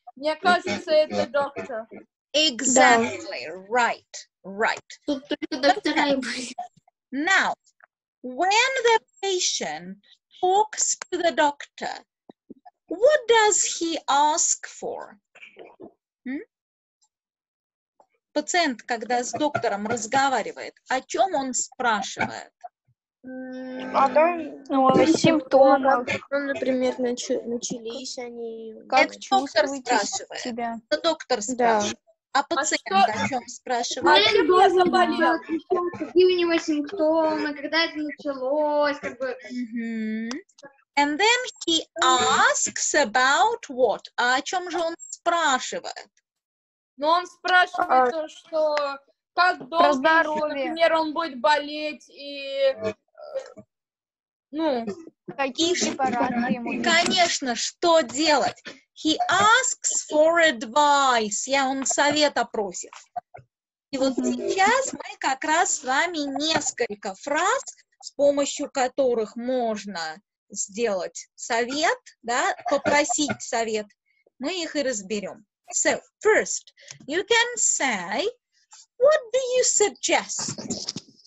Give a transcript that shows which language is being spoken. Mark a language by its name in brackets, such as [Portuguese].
[Russian] Мне кажется, это доктор. [English] Exactly, right, right. Okay. Now, when the patient talks to the doctor, what does he ask for? [Russian] Пациент, когда с доктором разговаривает, о чем он спрашивает? Симптомы, например, начались они, как чувствуете себя? Это доктор спрашивает. А пациент о чем спрашивает? Я не заболела. Какие у него симптомы? Когда это началось? Как бы. [English] And then he asks about what? [Russian] А о чем же он спрашивает? Ну, он спрашивает то, что как долго, например, он будет болеть и ну какие препараты ему? Конечно, что делать? [English] He asks for advice. [Russian] Я он совета просит. И вот сейчас мы как раз с вами несколько фраз, с помощью которых можно сделать совет, да, попросить совет. Мы их и разберем. [English] So, first, you can say, what do you suggest?